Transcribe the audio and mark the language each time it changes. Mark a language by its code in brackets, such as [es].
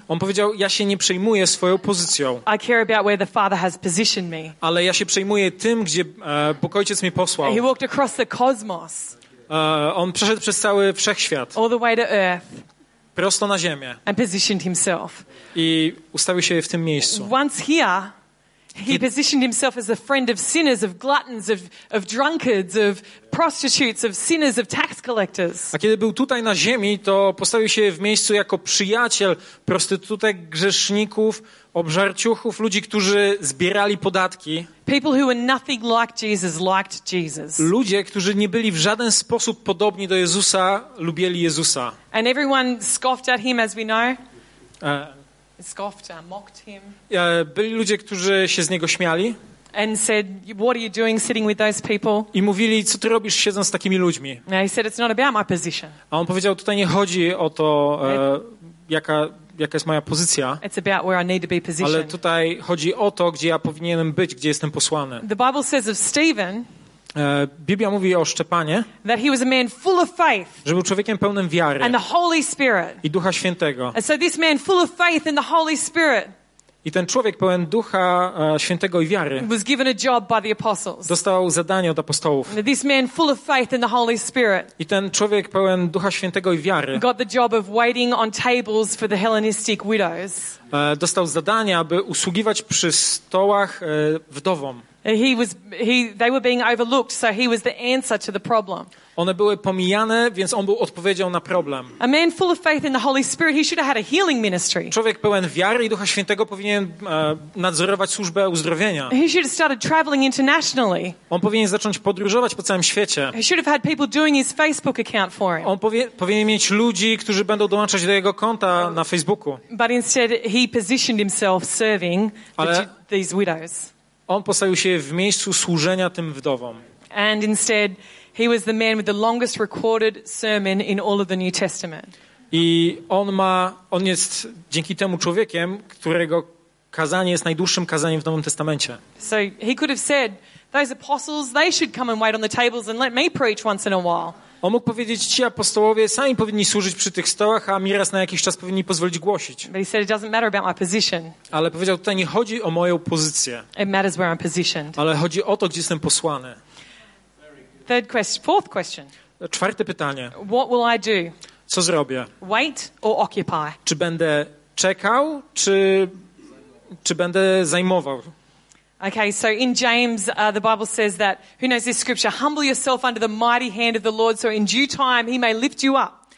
[pl] On powiedział, ja się nie przejmuję swoją pozycją. [en] I care about where the Father has positioned me. [pl] Ale ja się przejmuję tym, gdzie Bóg Ojciec mnie posłał. [en] He walked across the cosmos. [pl] On przeszedł przez cały wszechświat. [en] All the way to earth. [pl] Prosto na ziemię. [en] And positioned himself. [pl] I ustawił się w tym miejscu. [en] Once here, he positioned himself as a friend of sinners, of gluttons, of drunkards, of prostitutes, of sinners, of tax collectors. [pl] A kiedy był tutaj na ziemi, to postawił się w miejscu jako przyjaciel prostytutek, grzeszników, obżarciuchów, ludzi, którzy zbierali podatki. [en] People who were nothing like Jesus liked Jesus. [pl] Ludzie, którzy nie byli w żaden sposób podobni do Jezusa, lubili Jezusa. [en] And everyone scoffed at him, as we know. Scoffed, mocked him. [pl] Byli ludzie, którzy się z niego śmiali. [en] And said, "What are you doing sitting with those people?" [pl] I mówili, co ty robisz siedząc z takimi ludźmi? [en] And he said, "It's not about my position." [pl] A on powiedział, tutaj nie chodzi o to, jaka jest moja pozycja. [en] It's about where I need to be positioned. [pl] Ale tutaj chodzi o to, gdzie ja powinienem być, gdzie jestem posłany. [en] The Bible says of Stephen, [pl] Biblia mówi o Szczepanie, [en] that he was a man full of faith, [pl] że był człowiekiem pełnym wiary [en] and the Holy Spirit, [pl] i Ducha Świętego. [en] And so this man full of faith and the Holy Spirit, [pl] i ten człowiek pełen Ducha Świętego i wiary, [en] was given a job by the apostles, [pl] dostał zadanie od apostołów. [en] And this man full of faith and the Holy Spirit, [pl] i ten człowiek pełen Ducha Świętego i wiary, [en] got the job of waiting on tables for the Hellenistic widows, [pl] dostał zadanie, aby usługiwać przy stołach wdowom. [en] They were being overlooked, so he was the answer to the problem. [pl] One były pomijane, więc on był odpowiedzią na problem. [en] A man full of faith in the Holy Spirit, he should have had a healing ministry. [pl] Człowiek pełen wiary i Ducha Świętego powinien nadzorować służbę uzdrowienia. [en] He should have started traveling internationally. [pl] On powinien zacząć podróżować po całym świecie. [en] He should have had people doing his Facebook account for him. [pl] On powinien mieć ludzi, którzy będą dołączać do jego konta na Facebooku. [en] But instead, he positioned himself serving these widows. [pl] On postawił się w miejscu służenia tym wdowom. [en] And instead, he was the man with the longest recorded sermon in all of the New Testament. [pl] I on jest dzięki temu człowiekiem, którego kazanie jest najdłuższym kazaniem w Nowym Testamencie. [en] So he could have said, "Those apostles, they should come and wait on the tables and let me preach once in a while." [pl] On mógł powiedzieć, ci apostołowie sami powinni służyć przy tych stołach, a mi raz na jakiś czas powinni pozwolić głosić. [en] But he said, "It doesn't matter about my position." [pl] Ale powiedział, tutaj nie chodzi o moją pozycję. [en] It matters where I'm positioned. [pl] Ale chodzi o to, gdzie jestem posłany. [en] Third question, fourth question. [pl] Czwarte pytanie. [en] What will I do? [pl] Co zrobię? [en] Wait or occupy? [pl] Czy będę czekał, czy będę zajmował? [en] Okay, so in James, the Bible says that, who knows this scripture, humble yourself under the mighty hand of the Lord, so in due time he may lift you up.